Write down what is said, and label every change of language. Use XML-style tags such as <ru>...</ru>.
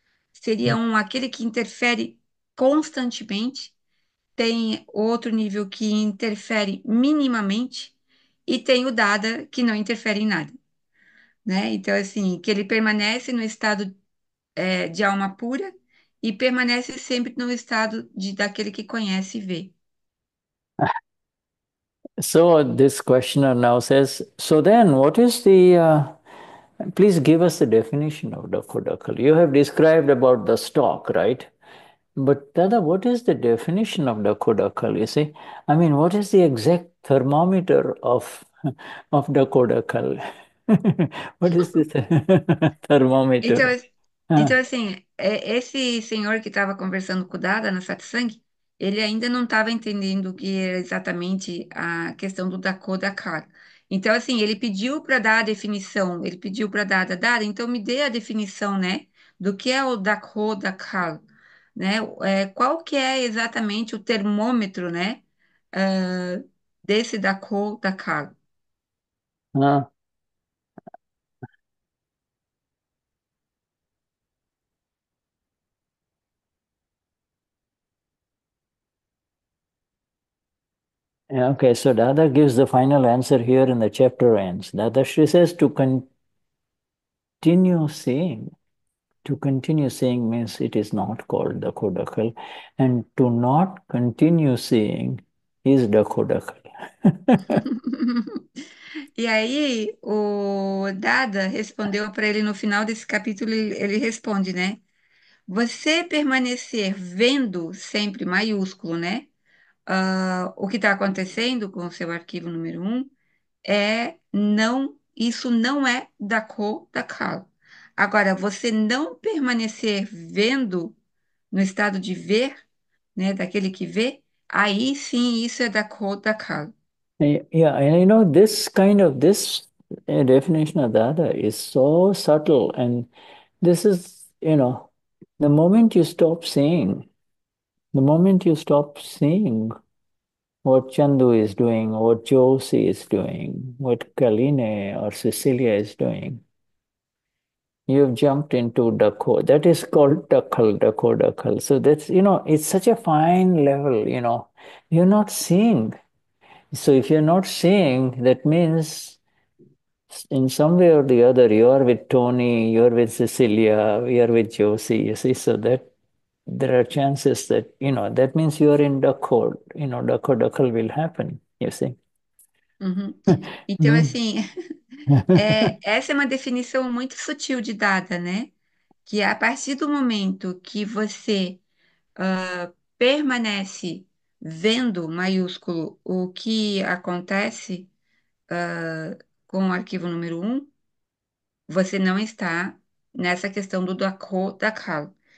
<pt>Seria aquele que interfere constantemente, tem outro nível que interfere minimamente, e tem o Dada, que não interfere em nada. Né? Então, assim, que ele permanece no estado de alma pura e permanece sempre no estado daquele que conhece e vê.</pt> <en>So this questioner now says, so then what is the please give us the definition of Dakodakal. You have described about the stock, right? But Dada, what is the definition of dakodakal? You see, I mean, what is the exact thermometer of dakodakal? What is this</en> <pt>Então,</pt> <en>thermometer?</en> <pt>assim, esse senhor que estava conversando com o Dada na Satsang, ele ainda não estava entendendo o que era exatamente a questão do dakodakal. Então, assim, ele pediu para dar a definição, ele pediu para Dada, então me dê a definição, né, do que é o dakodakal, né? Qual que é exatamente o termômetro, né, desse dakodakal? Não.</pt> <en>Okay, so Dada gives the final answer here, and the chapter ends. Dada Shri says to continue seeing means it is not called the Dakodakal, and to not continue seeing is the Dakodakal.</en> <pt>E aí, o Dada respondeu para ele no final desse capítulo, ele responde, né? Você permanecer vendo sempre maiúsculo, né? O que está acontecendo com o seu arquivo número 1 é não, isso não é da cor da cal. Agora, você não permanecer vendo no estado de ver, né, daquele que vê, aí sim isso é da cor da cal.</pt> <en>Yeah, and this definition of Dada is so subtle, and this is, the moment you stop seeing, the moment you stop seeing what Chandu is doing, what Josie is doing, what Kaline or Cecilia is doing, you've jumped into Dako. That is called Dakkal, Dako, Dakkal. So that's, it's such a fine level, you're not seeing. So if you're not seeing, that means in some way or the other, you are with Tony, you're with Cecilia, we are with Josie, you see. So that there are chances that, that means you are in the code, Dakkal will happen, you see.</en> <pt>Então, assim, essa é uma definição muito sutil de Dada, né? Que a partir do momento que você permanece vendo, maiúsculo, o que acontece com o arquivo número 1, você não está nessa questão do Dako Dakal.</pt>